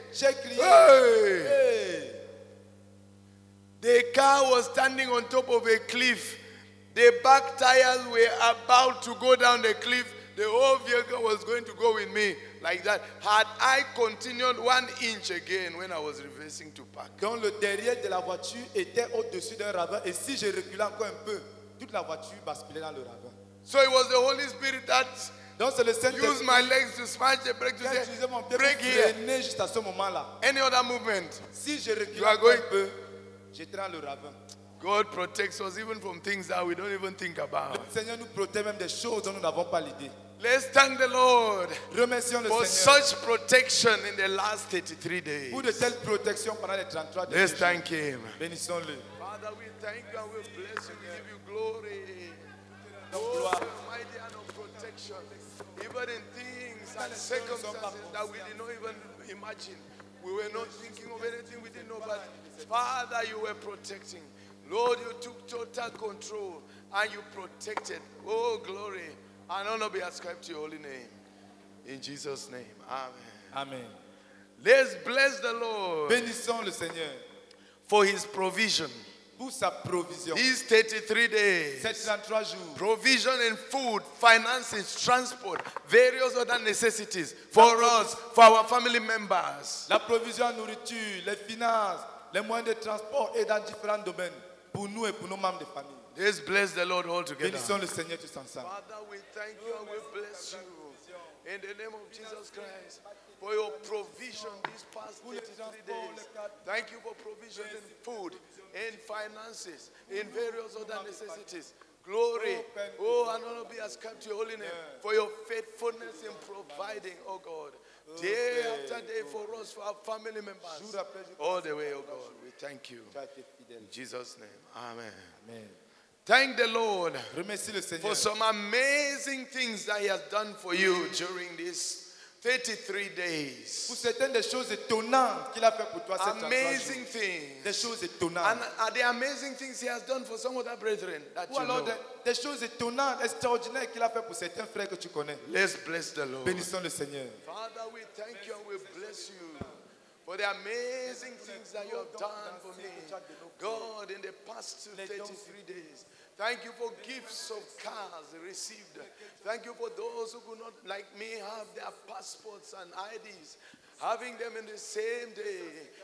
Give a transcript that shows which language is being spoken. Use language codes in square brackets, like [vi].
[fr] J'ai crié. [en] Hey. Hey. The car was standing on top of a cliff. The back tires were about to go down the cliff. The whole vehicle was going to go with me like that. Had I continued 1 inch again when I was reversing to park. [fr] Donc le derrière de la voiture était au-dessus d'un ravin. Et si je reculais encore un peu, toute la voiture basculait dans le ravin. [en] So it was the Holy Spirit that used my legs to smash the brake to say, break here. [fr] Juste à ce moment-là. [en] Any other movement? [fr] Si je reculais encore un peu, j'étais dans le ravin. [en] God protects us even from things that we don't even think about. [fr] Le Seigneur nous protège même des choses dont nous n'avons pas l'idée. [en] Let's thank the Lord. [fr] Remercions le [en] for [fr] Seigneur. [en] Such protection in the last 33 days. [fr] Pour de telles protections pendant les 33 [en] days. Let's thank him. [fr] Bénissons-le. [en] Father, we thank you and we bless you. We give you glory. Oh, mighty hand of protection. Even in things and circumstances that we did not even imagine. We were not thinking of anything we didn't know, but Father, you were protecting. Lord, you took total control and you protected. Oh, glory and honor be ascribed to your holy name. In Jesus' name, amen. Amen. Let's bless the Lord. [fr] Bénissons le Seigneur. [en] For his provision. [fr] Pour sa provision. [en] These 33 days. [fr] 73 jours. [en] Provision in food, finances, transport, various other necessities for us, for our family members. [fr] La provision en nourriture, les finances, les moyens de transport et dans différents domaines. Pour nous et pour nos membres de famille. [en] Let's bless the Lord all together. [fr] Bénissons le Seigneur tous ensemble. [en] Father, we thank you and we bless you. In the name of Jesus Christ, for your provision these past 33 days. Thank you for provision in food, in finances, in various other necessities. Glory. Oh, and honor be ascribed to your holy name. For your faithfulness in providing, oh God. Day after day for us, for our family members. All the way, oh God. We thank you. In Jesus' name. Amen. Amen. Thank the Lord. [fr] Remercie le Seigneur. [en] For some amazing things that he has done for you during these 33 days. [fr] Pour certaines des choses étonnantes qu'il a fait pour toi cette année. [en] Amazing things. [fr] Des choses étonnantes. [en] And the amazing things he has done for some other brethren that [fr] ou [en] you [fr] alors [en] know. [fr] Des choses étonnantes, extraordinaires qu'il a fait pour certains frères que tu connais. [en] Let's bless the Lord. [fr] Bénissons le Seigneur. [en] Father, we thank you and we bless you. For the amazing things that you have done for me, God, in the past 33 days. Thank you for gifts of cars received. Thank you for those who could not, like me, have their passports and IDs, having them in the same day.